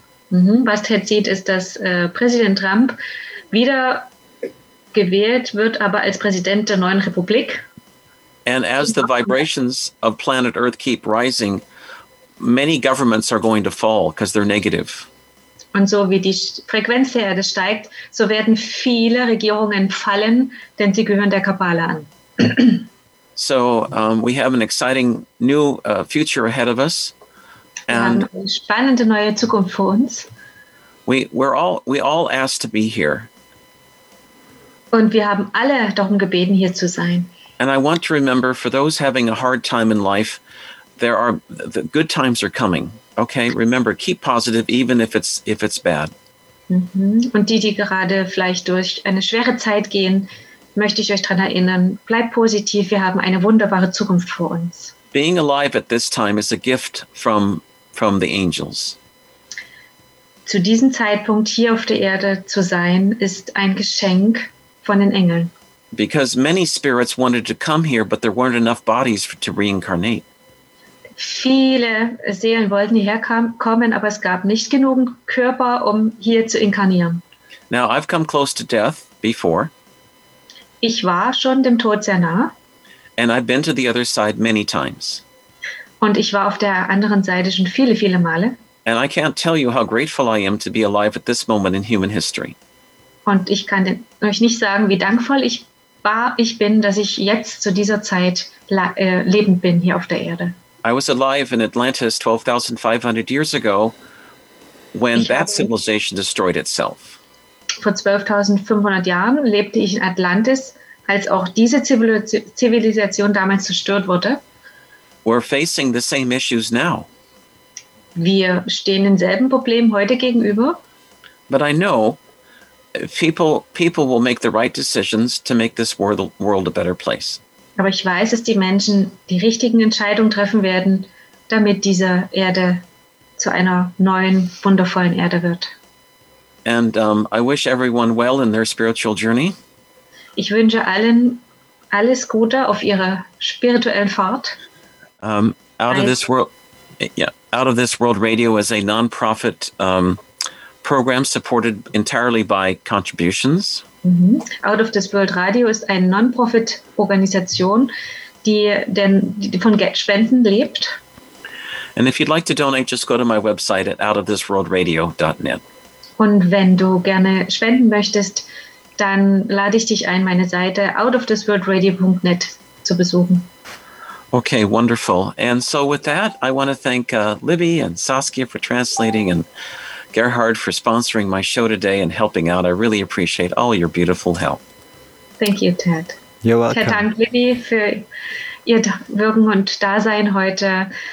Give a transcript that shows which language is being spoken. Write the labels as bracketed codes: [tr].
[de] Was Ted sieht, ist, dass Präsident Trump wieder gewählt wird, aber als Präsident der neuen Republik. [en] And as the vibrations of planet Earth keep rising, many governments are going to fall because they're negative. [de] Und so wie die Frequenz der Erde steigt, so werden viele Regierungen fallen, denn sie gehören der Kabbala an. [en] So we have an exciting new future ahead of us. And [de] wir haben eine spannende neue Zukunft vor uns. [en] We all asked to be here. [de] Und wir haben alle darum gebeten, hier zu sein. [en] And I want to remember, for those having a hard time in life, there are the good times are coming. Okay, remember, keep positive, even if it's bad. Mm-hmm. [de] Und die gerade vielleicht durch eine schwere Zeit gehen, möchte ich euch daran erinnern: Bleibt positiv. Wir haben eine wunderbare Zukunft vor uns. [en] Being alive at this time is a gift from the angels. [de] Zu diesem Zeitpunkt hier auf der Erde zu sein, ist ein Geschenk von den Engeln. [en] Because many spirits wanted to come here, but there weren't enough bodies to reincarnate. [de] Viele Seelen wollten hierher kommen, aber es gab nicht genug Körper, um hier zu inkarnieren. [en] Now, I've come close to death before. [de] Ich war schon dem Tod sehr nah. [en] And I've been to the other side many times. [de] Und ich war auf der anderen Seite schon viele, viele Male. [en] And I can't tell you how grateful I am to be alive at this moment in human history. [de] Und ich kann euch nicht sagen, wie dankvoll ich bin, dass ich jetzt zu dieser Zeit lebend bin hier auf der Erde. [en] I was alive in Atlantis 12,500 years ago when that civilization destroyed itself. [de] Vor 12,500 Jahren lebte ich in Atlantis, als auch diese Zivilisation damals zerstört wurde. [en] We're facing the same issues now. [de] Wir stehen denselben Problemen heute gegenüber. [en] But I know people will make the right decisions to make this world a better place. [de] Aber ich weiß, dass die Menschen die richtigen Entscheidungen treffen werden, damit diese Erde zu einer neuen, wundervollen Erde wird. [en] And I wish everyone well in their spiritual journey. [de] Ich wünsche allen alles Gute auf ihrer spirituellen Fahrt. [en] Out of This World Radio is a non-profit program supported entirely by contributions. [de] Mm-hmm. Out of This World Radio ist eine non-profit Organisation, die von Spenden lebt. [en] And if you'd like to donate, just go to my website at outofthisworldradio.net. [de] Und wenn du gerne spenden möchtest, dann lade ich dich ein, meine Seite outoftheworldradio.net zu besuchen. [en] Okay, wonderful. And so with that, I want to thank Libby and Saskia for translating and Gerhard for sponsoring my show today and helping out. I really appreciate all your beautiful help. Thank you, Ted. You're welcome. Ted, thank Libby for your [de] Wirken und Dasein heute.